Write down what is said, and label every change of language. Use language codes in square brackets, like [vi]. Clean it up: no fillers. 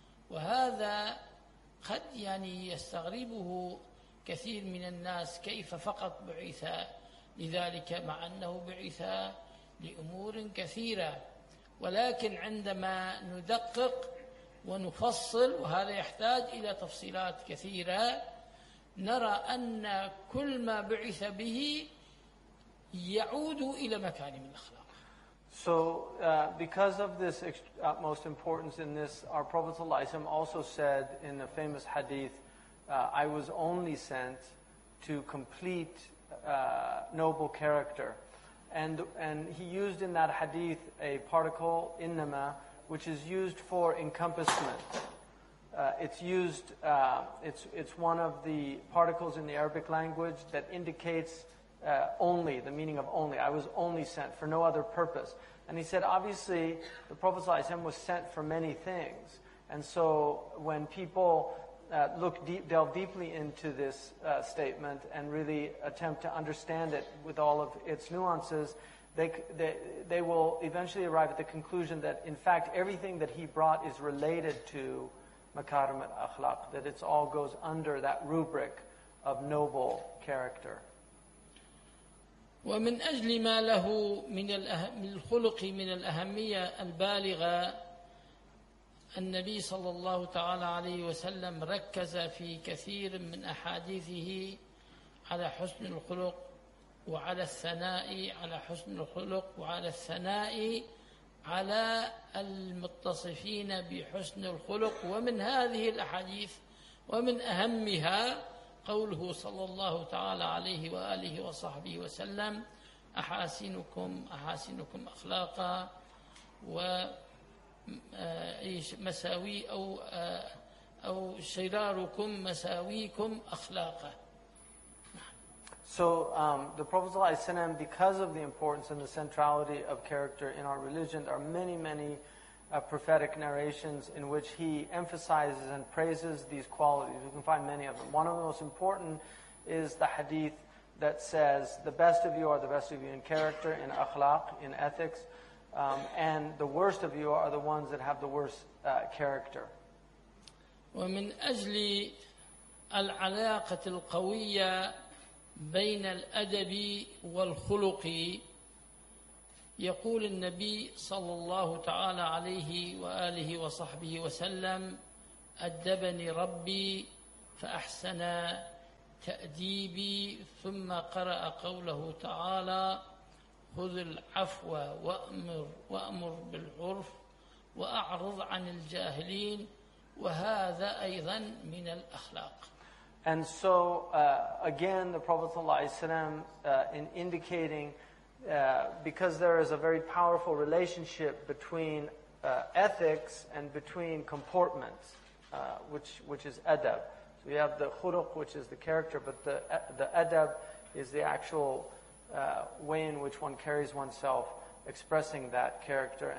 [ar] وهذا قد يعني يستغربه كثير من الناس, كيف فقط بعث لذلك مع أنه بعث لأمور كثيرة. ولكن عندما ندقق ونفصل, وهذا يحتاج إلى تفصيلات كثيرة, نرى أن كل ما بعث به يعود إلى مكارم الأخلاق. [en] So because of this utmost importance in this, our Prophet ﷺ also said in a famous hadith, I was only sent to complete noble character. And he used in that hadith a particle, innama, which is used for encompassment. It's one of the particles in the Arabic language that indicates only, the meaning of only. I was only sent for no other purpose. And he said, obviously, the Prophet ﷺ was sent for many things. And so when people delve deeply into this statement and really attempt to understand it with all of its nuances, they will eventually arrive at the conclusion that, in fact, everything that he brought is related to makarim al-akhlaq, that it all goes under that rubric of noble character. [ar] ومن أجل ما له من الخلق من الأهمية البالغة النبي صلى الله تعالى عليه وسلم ركز في كثير من أحاديثه على حسن الخلق وعلى الثناء على حسن الخلق وعلى الثناء على المتصفين بحسن الخلق ومن هذه الأحاديث ومن أهمها قوله صلى الله تعالى عليه وآله وصحبه وسلم أحاسنكم أخلاقا ومساوي أو شراركم مساويكم أخلاقا. [en] So the Prophet ﷺ, because of the importance and the centrality of character in our religion, there are many, many prophetic narrations in which he emphasizes and praises these qualities. We can find many of them. One of the most important is the hadith that says, the best of you are the best of you in character, in akhlaq, in ethics, and the worst of you are the ones that have the worst character. [ar] وَمِنْ أَجْلِ الْعَلَاقَةِ الْقَوِيَّةِ بين الأدب والخلق يقول النبي صلى الله تعالى عليه وآله وصحبه وسلم أدبني ربي فأحسن تأديبي ثم قرأ قوله تعالى خذ العفو وأمر بالعرف وأعرض عن الجاهلين وهذا أيضا من الأخلاق. [en] And so, again, the Prophet ﷺ, in indicating, because there is a very powerful relationship between ethics and between comportments, which is adab. So you have the khuluq, which is the character, but the adab is the actual way in which one carries oneself, expressing that character.